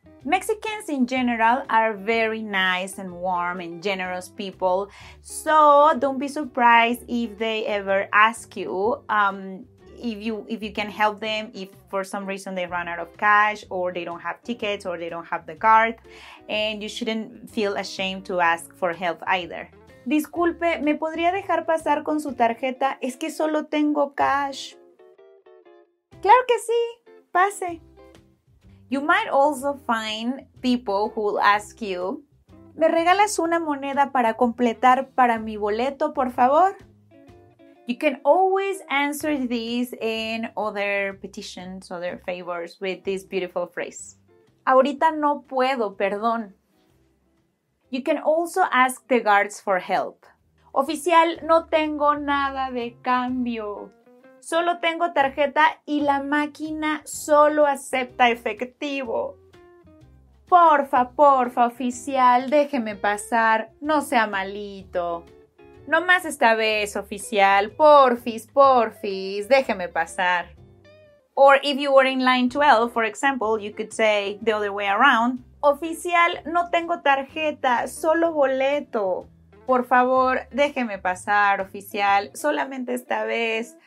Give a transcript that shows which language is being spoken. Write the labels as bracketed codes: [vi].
[en] Mexicans in general are very nice and warm and generous people, so don't be surprised if they ever ask you if you can help them if for some reason they run out of cash or they don't have tickets or they don't have the card, and you shouldn't feel ashamed to ask for help either. [es] Disculpe, ¿me podría dejar pasar con su tarjeta? Es que solo tengo cash. Claro que sí, pase. [en] You might also find people who will ask you, [es] ¿me regalas una moneda para completar para mi boleto, por favor? [en] You can always answer these and other petitions, other favors with this beautiful phrase. [es] Ahorita no puedo, perdón. [en] You can also ask the guards for help. [es] Oficial, no tengo nada de cambio. Solo tengo tarjeta y la máquina solo acepta efectivo. Porfa, porfa, oficial, déjeme pasar. No sea malito. No más esta vez, oficial. Porfis, porfis, déjeme pasar. [en] Or if you were in line 12, for example, you could say the other way around. [es] Oficial, no tengo tarjeta, solo boleto. Por favor, déjeme pasar, oficial, solamente esta vez.